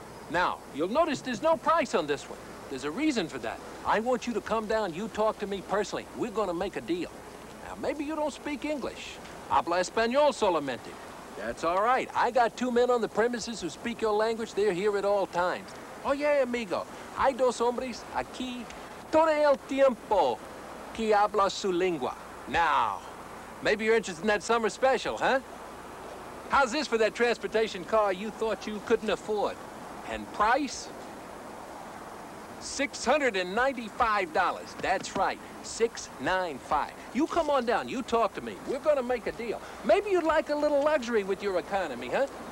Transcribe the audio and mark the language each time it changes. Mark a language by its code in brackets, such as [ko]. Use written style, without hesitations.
[en] Now, you'll notice there's no price on this one. There's a reason for that. I want you to come down, you talk to me personally. We're gonna make a deal. Now, maybe you don't speak English. [es] Habla español solamente. [en] That's all right. I got two men on the premises who speak your language. They're here at all times. [es] Oye, amigo, hay dos hombres aquí todo el tiempo que habla su lengua. [en] Now, maybe you're interested in that summer special, huh? How's this for that transportation car you thought you couldn't afford? And price? $695. That's right, 695. You come on down, you talk to me. We're gonna make a deal. Maybe you'd like a little luxury with your economy, huh?